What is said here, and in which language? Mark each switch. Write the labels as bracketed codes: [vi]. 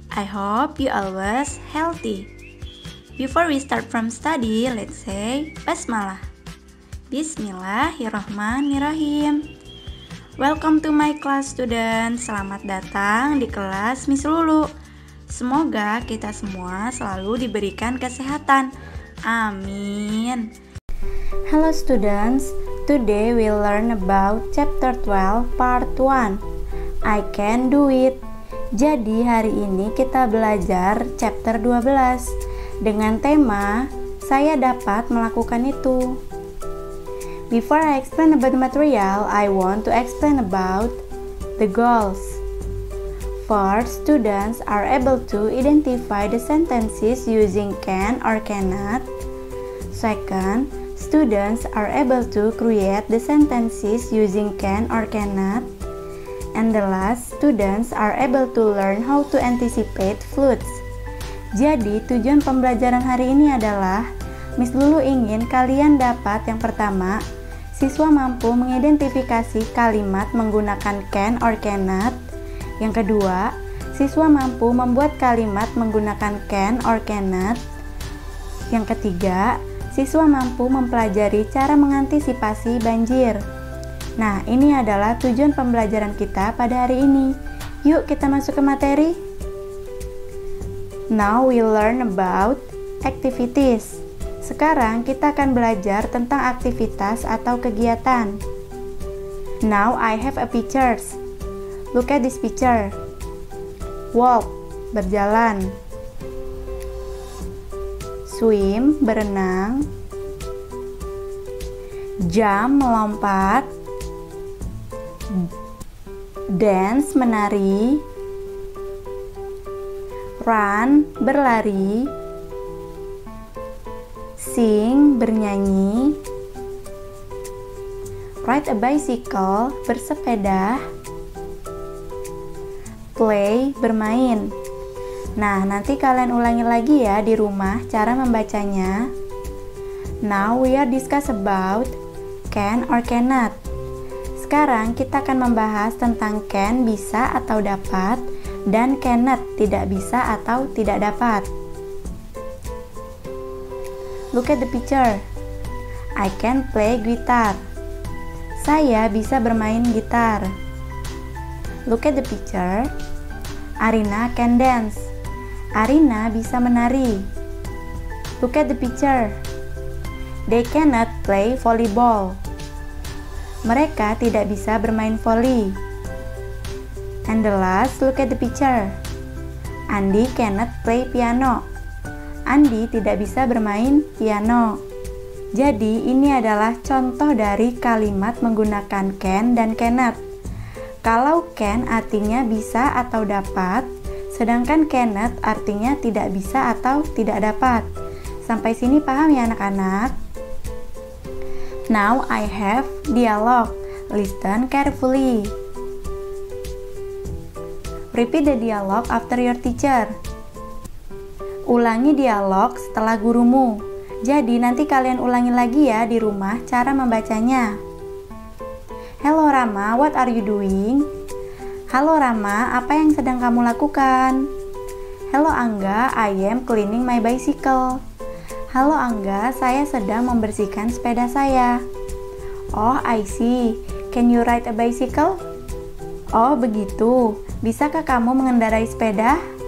[en] I hope you always healthy. Before we start from study, let's say basmalah. Bismillahirrahmanirrahim. Welcome to my class, students. [id] Selamat datang di kelas Miss Lulu. Semoga kita semua selalu diberikan kesehatan. [en] Amin. Hello, students. Today we learn about chapter 12 part 1. I can do it. [id] Jadi hari ini kita belajar chapter 12 dengan tema saya dapat melakukan itu. [en] Before I explain about the material, I want to explain about the goals. First, students are able to identify the sentences using can or cannot. Second, students are able to create the sentences using can or cannot. And the last, students are able to learn how to anticipate floods. [id] Jadi, tujuan pembelajaran hari ini adalah Miss Lulu ingin kalian dapat yang pertama, siswa mampu mengidentifikasi kalimat menggunakan can or cannot. Yang kedua, siswa mampu membuat kalimat menggunakan can or cannot. Yang ketiga, siswa mampu mempelajari cara mengantisipasi banjir. Nah, ini adalah tujuan pembelajaran kita pada hari ini. Yuk, kita masuk ke materi. [en] Now we learn about activities. [id] Sekarang kita akan belajar tentang aktivitas atau kegiatan. [en] Now I have a picture. Look at this picture. [id] Walk, berjalan. Swim, berenang. Jump, melompat. Dance, menari. Run, berlari. Sing, bernyanyi. Ride a bicycle, bersepeda. Play, bermain. Nah, nanti kalian ulangi lagi ya di rumah cara membacanya. [en] Now we are discuss about can or cannot. [id] Sekarang kita akan membahas tentang can, bisa atau dapat, dan cannot, tidak bisa atau tidak dapat. [en] Look at the picture. I can play guitar. [id] Saya bisa bermain gitar. [en] Look at the picture. Arina can dance. [id] Arina bisa menari. [en] Look at the picture. They cannot play volleyball. [id] Mereka tidak bisa bermain voli. [en] And the last, look at the picture. Andy cannot play piano. [id] Andy tidak bisa bermain piano. Jadi, ini adalah contoh dari kalimat menggunakan can dan cannot. Kalau can artinya bisa atau dapat, sedangkan cannot artinya tidak bisa atau tidak dapat. Sampai sini paham ya anak-anak? [en] Now I have dialogue. Listen carefully. Repeat the dialogue after your teacher. [id] Ulangi dialog setelah gurumu. Jadi nanti kalian ulangi lagi ya di rumah cara membacanya. [en] Hello Rama, what are you doing? [id] Halo Rama, apa yang sedang kamu lakukan? [en] Hello Angga, I am cleaning my bicycle. [id] Halo Angga, saya sedang membersihkan sepeda saya. [en] Oh, I see. Can you ride a bicycle? [id] Oh, begitu. Bisakah kamu mengendarai sepeda?